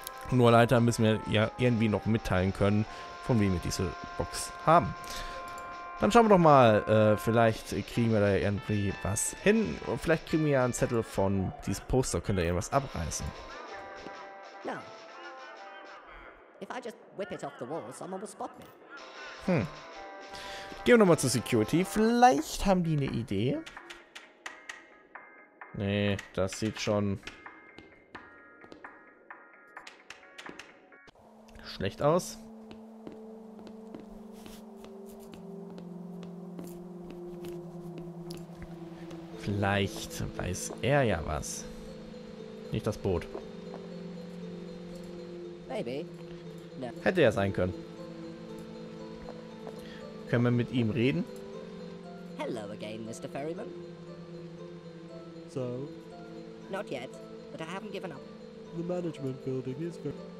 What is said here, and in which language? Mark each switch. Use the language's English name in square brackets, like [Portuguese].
[German] Nur leider müssen wir ja irgendwie noch mitteilen können, von wem wir diese Box haben. Dann schauen wir doch mal, vielleicht kriegen wir da irgendwie was hin. Vielleicht kriegen wir ja einen Zettel von diesem Poster, können da irgendwas abreißen. [English] No. If I just whip it off the wall, someone will spot me. [German] Gehen wir nochmal zur Security. Vielleicht haben die eine Idee. Nee, das sieht schon schlecht aus. Vielleicht weiß er ja was. Nicht das Boot. [English] Maybe. [German] Hätte ja sein können. Können wir mit ihm reden? [English] Hello again, Mr. Ferryman. So? Not yet, but I haven't given up. The management building is good.